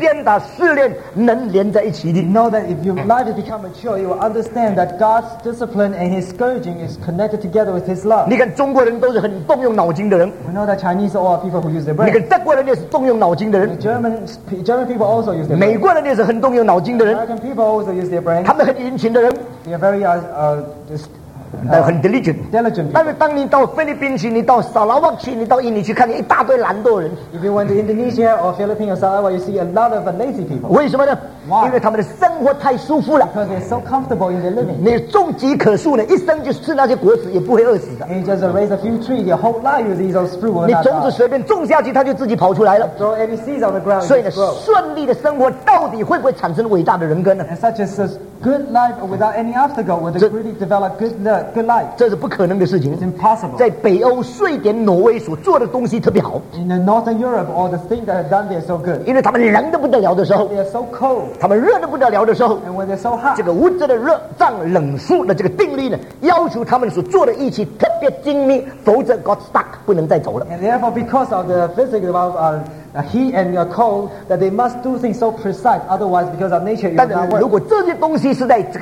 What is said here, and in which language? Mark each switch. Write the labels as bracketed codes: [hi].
[zh] 当一个人的生命成熟的时候，你就知道神的爱同神的管教、鞭打、试炼能连在一起的。 [en] You know that if your life has become mature, you will understand that God's discipline and His scourging is connected together with His love. [zh] 你看中国人都是很动用脑筋的人。 [en] We know that Chinese are all people who use their brain. [zh] 你看德国人也是动用脑筋的人。 [en] German people also use their brain. [zh] 美国人也是很动用脑筋的人。 [en] American people also use their brain. [zh] 他们很殷勤的人。 [en] They are very [zh] 很 diligent， 但是当你到菲律宾去，你到沙拉旺去，你到印尼去看，你一大堆懒惰人。 [en] If you went to Indonesia or Philippines or Sarawak, you see a lot of lazy people. [zh] 为什么呢？ [en] Why? [zh] 因为他们的生活太舒服了。 [en] Because they're so comfortable in their living. [zh] 你种几棵树呢？一生就吃那些果子，也不会饿死的。 [en] You just raise a few trees, your whole life you eat those fruit. [zh] 你种子随便种下去，它就自己跑出来了。 [en] You throw any seeds on the ground. [zh] 所以呢，顺利的生活到底会不会产生伟大的人格呢？ [en] And such as a good life without any obstacle, would it really develop good life? [zh] 这是不可能的事情。 [en] It's impossible. [zh] 在北欧、瑞典、挪威所做的东西特别好。 [en] In Northern Europe, all the things that are done there are so good. [zh] 因为他们冷得不得了的时候。 [en] They are so cold. [zh] 他们热得不得了的时候， [en] and when they're so hot, [zh] 这个物质的热胀冷缩的这个定律呢，要求他们所做的一切特别精密， 否则 [en] got stuck [zh] 不能再走了。 [en] And therefore because of the physics of heat and cold, that they must do things so precise, otherwise because of nature it will not work.